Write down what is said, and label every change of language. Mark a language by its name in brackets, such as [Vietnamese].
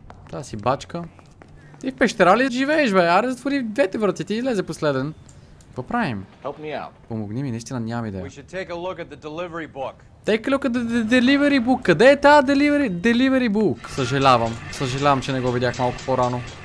[Bulgarian] Та си бачка. Ти в пещера ли живееш, бе? Аре затвори двете врати, ти излезе последен. Какво правим? Помогни ми, наистина нямам идея. [English] Take a look at the delivery book. [Bulgarian] Къде е тази delivery book? Съжалявам. Съжалявам, че не го видях малко по-рано.